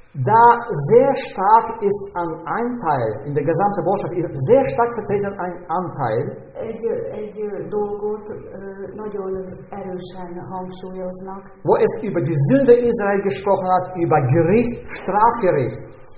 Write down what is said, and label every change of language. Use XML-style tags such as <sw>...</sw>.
<de>da sehr stark ist ein Anteil, in der gesamten Botschaft ist sehr stark vertreten ein Anteil,</de> <hu>egy dolgot nagyon erősen hangsúlyoznak,</hu> <de>wo es über die Sünde Israel gesprochen hat, über Gericht, Strafgericht.</de>